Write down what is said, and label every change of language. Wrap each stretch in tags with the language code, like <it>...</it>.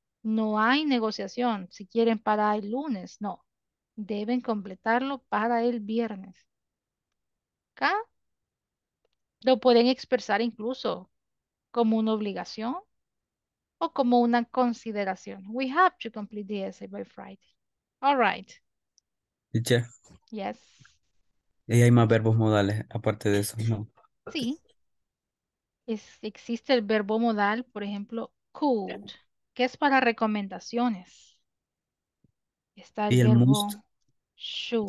<es>No hay negociación. Si quieren para el lunes, no. Deben completarlo para el viernes. ¿Acá? Lo pueden expresar incluso como una obligación o como una consideración.</es> <en>We have to complete the essay by Friday. All right. Teacher. Yes.</en> <es>Y hay más verbos modales aparte de eso, ¿no? Sí. Existe el verbo modal, por ejemplo, could, que es para recomendaciones. Está el, ¿y el verbo</es> <en>must? Should.</en>